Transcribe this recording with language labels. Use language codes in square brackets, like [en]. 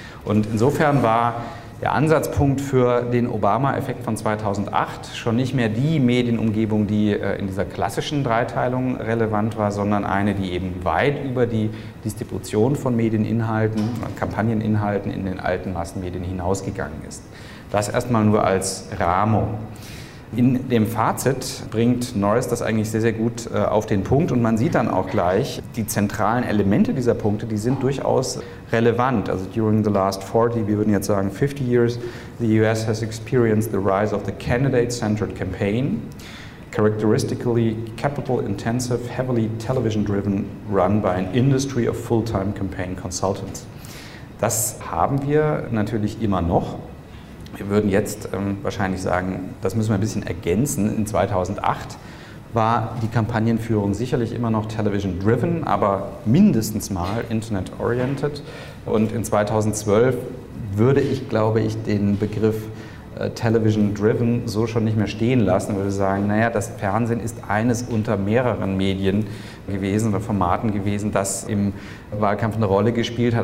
[de] Und insofern war der Ansatzpunkt für den Obama-Effekt von 2008 schon nicht mehr die Medienumgebung, die in dieser klassischen Dreiteilung relevant war, sondern eine, die eben weit über die Distribution von Medieninhalten, Kampagneninhalten in den alten Massenmedien hinausgegangen ist. Das erstmal nur als Rahmung. In dem Fazit bringt Norris das eigentlich sehr, sehr gut auf den Punkt und man sieht dann auch gleich, die zentralen Elemente dieser Punkte, die sind durchaus relevant. [en] Also during the last 40, [de] wir würden jetzt sagen [en] 50 years, the US has experienced the rise of the candidate-centered campaign, characteristically capital-intensive, heavily television-driven, run by an industry of full-time campaign consultants. [de] Das haben wir natürlich immer noch. Wir würden jetzt wahrscheinlich sagen, das müssen wir ein bisschen ergänzen. In 2008 war die Kampagnenführung sicherlich immer noch television-driven, aber mindestens mal internet-oriented. Und in 2012 würde ich, glaube ich, den Begriff television-driven so schon nicht mehr stehen lassen. Ich würde sagen, naja, das Fernsehen ist eines unter mehreren Medien gewesen oder Formaten gewesen, das im Wahlkampf eine Rolle gespielt hat.